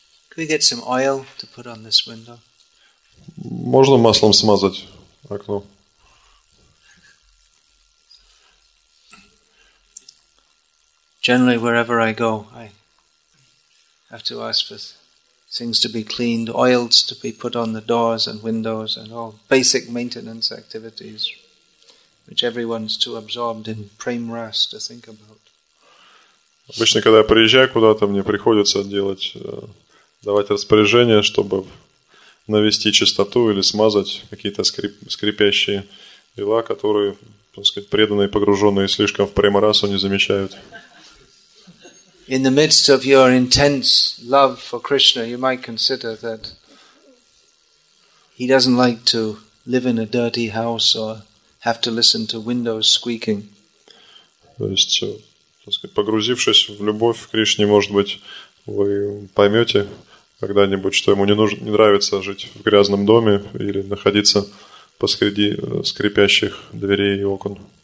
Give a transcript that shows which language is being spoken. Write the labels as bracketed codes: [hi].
[en] Could we get some oil to put on this window? [ru] Можно маслом смазать окно? [en] Generally, wherever I go, I have to ask for things to be cleaned, oils to be put on the doors and windows and all basic maintenance activities which everyone's too absorbed in prem ras to think about. [ru] Обычно, когда я приезжаю куда-то, мне приходится давать распоряжение, чтобы навести чистоту или смазать какие-то скрипящие дела, которые, так сказать, преданные, погруженные слишком в прем расу не замечают. [en] In the midst of your intense love for Krishna, you might consider that he doesn't like to live in a dirty house or have to listen to windows squeaking. [ru] То есть, так сказать, погрузившись в любовь к Кришне, может быть, вы поймете когда-нибудь, что ему не нравится жить в грязном доме или находиться посреди скрипящих дверей и окон.